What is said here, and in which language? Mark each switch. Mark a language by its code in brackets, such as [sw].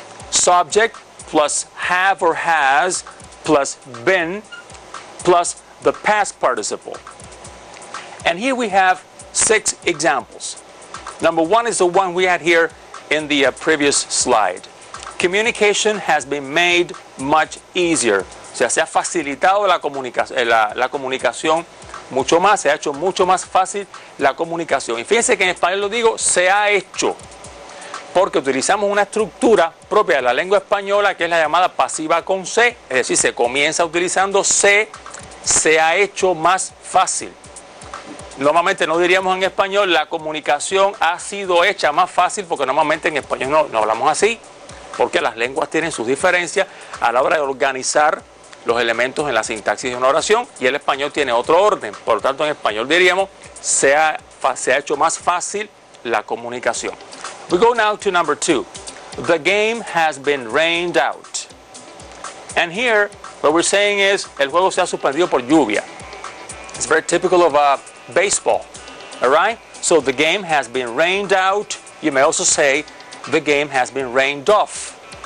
[en] Subject plus have or has plus been plus the past participle. And here we have six examples. Number one is the one we had here in the previous slide. Communication has been made much easier. [es] O sea, se ha facilitado la comunicación mucho más, se ha hecho mucho más fácil la comunicación. Y fíjense que en español lo digo, se ha hecho, porque utilizamos una estructura propia de la lengua española que es la llamada pasiva con C. Es decir, se comienza utilizando C. Se ha hecho más fácil. Normalmente no diríamos en español la comunicación ha sido hecha más fácil, porque normalmente en español no hablamos así, porque las lenguas tienen sus diferencias a la hora de organizar los elementos en la sintaxis de una oración, y el español tiene otro orden. Por lo tanto, en español diríamos se ha hecho más fácil la comunicación. [en] We go now to number two. The game has been rained out. And here What we're saying is, [es] el juego se ha suspendido por lluvia. [en] It's very typical of baseball, all right? So the game has been rained out. You may also say, the game has been rained off.